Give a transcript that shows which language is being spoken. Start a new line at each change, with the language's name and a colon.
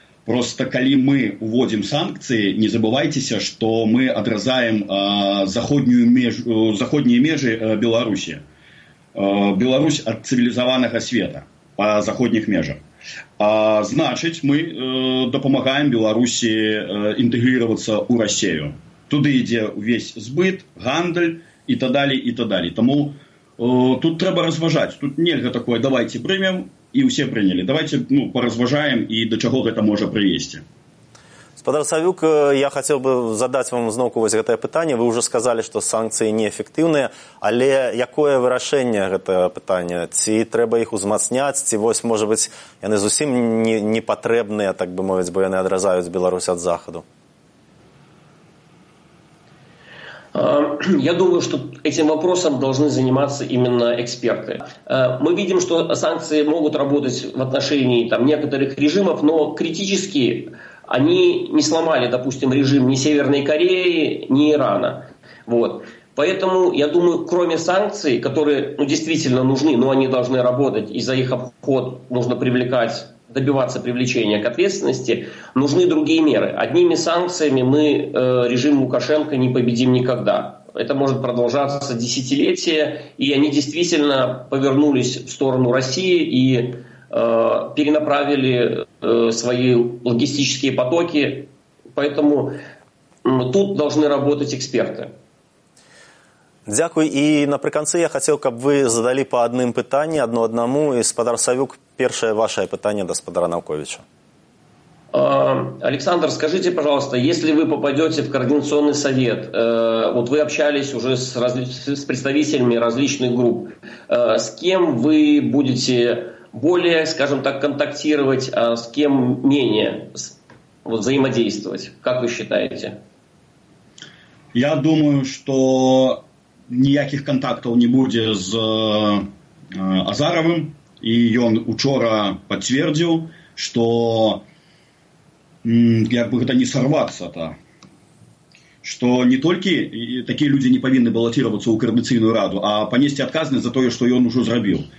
Belarusian: Просто калі мы уводзім санкцыі, не забывайцеся, што мы адразаем заходнія межы Беларусі. Беларусь ад цывілізаванага света па заходніх межах. Значыць, мы дапамагаем Беларусі інтэгрірвацца ў Расію. Туды ідзе ўвесь збыт, гандаль і так далі, і так далі. Таму тут трэба разважаць. Тут нельга такое, давайце прымем. І ўсе прынялі. Давайце, паразважаем і да чаго гэта можа прывесці. Спадар Савюк, я хацеў бы задаць вам зноўку вось гэтае пытанне. Вы ўжо сказалі, што санкцыі неэфектыўныя, але якое вырашэнне гэтае пытанне? Ці трэба іх узмацняць, ці вось, можа быць, яны зусім не патрэбныя, так бы мовіць, бо яны адразаюць Беларусь ад захаду?
Russian: Я думаю, что этим вопросом должны заниматься именно эксперты. Мы видим, что санкции могут работать в отношении там, некоторых режимов, но критически они не сломали, допустим, режим ни Северной Кореи, ни Ирана. Вот. Поэтому, я думаю, кроме санкций, которые действительно нужны, но они должны работать, и за их обход нужно добиваться привлечения к ответственности, нужны другие меры. Одними санкциями мы режим Лукашенко не победим никогда. Это может продолжаться десятилетия, и они действительно повернулись в сторону России и перенаправили свои логистические потоки. Поэтому тут должны работать эксперты. Дзякуй. І напрыканцы я хацеў, каб вы задалі па адным пытанні, адно аднаму. І спадар Савюк, першае вашае пытанне да спадара Наўковіча. Александр, скажите, пожалуйста, если вы попадете в координационный совет, вот вы общались уже с представителями различных групп, с кем вы будете более, скажем так, контактировать, а с кем менее взаимодействовать? Как вы считаете? Я думаю, что
Belarusian: ніякіх кантактаў не будзе з Азаравым, і ён учора пацвердзіў, што як бы гэта не сарвацца-то, што не толькі такія людзі не павінны балатіравацца ў каардынацыйную раду, а панесці адказнасць за тое, што ён ужо зрабіў.